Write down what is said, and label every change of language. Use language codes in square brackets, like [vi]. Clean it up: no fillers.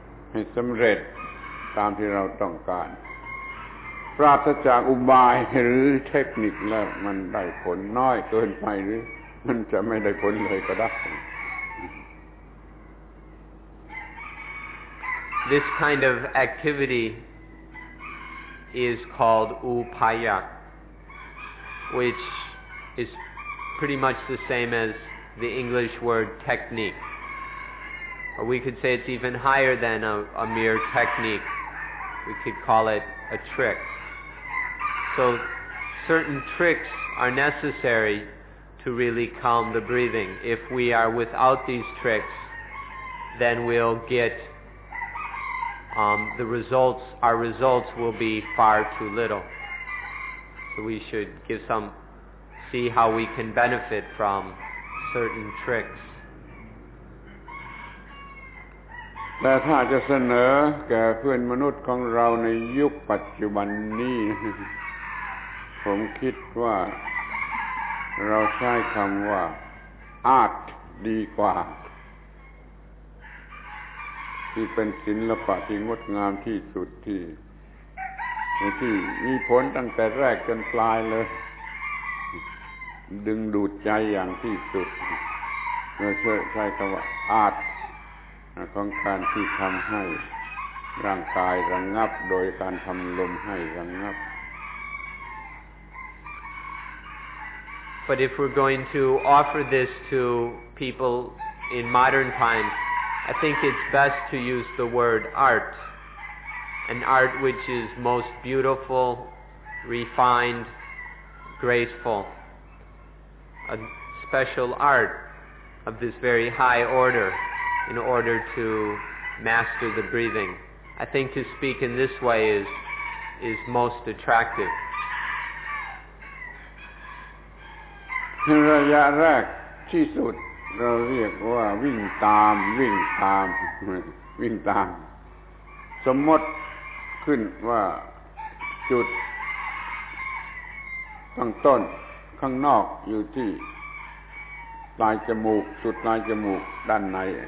[th] ให้สำเร็จตามที่เราต้องการปราศจากอุบายหรือเทคนิคแล้วมันได้ผลน้อยเกินไปหรือมันจะไม่ได้ผลเลยก็ได้ [en] This kind of activity is called upaya, which is pretty much the same as the English word techniqueOr we could say it's even higher than a mere technique. We could call it a trick. So certain tricks are necessary to really calm the breathing. If we are without these tricks, then we'll get the results. Our results will be far too little. So we should see how we can benefit from certain tricks. [th] แต่ถ้าจะเสนอแก่เพื่อนมนุษย์ของเราในยุคปัจจุบันนี้ผมคิดว่า เราใช้คำว่าอาร์ตดีกว่าที่เป็นศิลปะที่งดงามที่สุดที่มีผลตั้งแต่แรกจนปลายเลยดึงดูดใจอย่างที่สุดเราใช้คำว่าอาร์ตของการที่ทำให้ร่างกายระงับโดยการทำลมให้ระงับ [en] But if we're going to offer this to people in modern times, I think it's best to use the word art, an art which is most beautiful, refined, graceful, a special art of this very high order. In order to master the breathing, I think to speak in this way is most attractive. [th] ระยะแรกที่สุดเราเรียกว่าวิ่งตามวิ่งตามวิ่งตามสมมติขึ้นว่าจุดตั้งต้นข้างนอกอยู่ที่ปลายจมูกสุดปลายจมูกด้านใน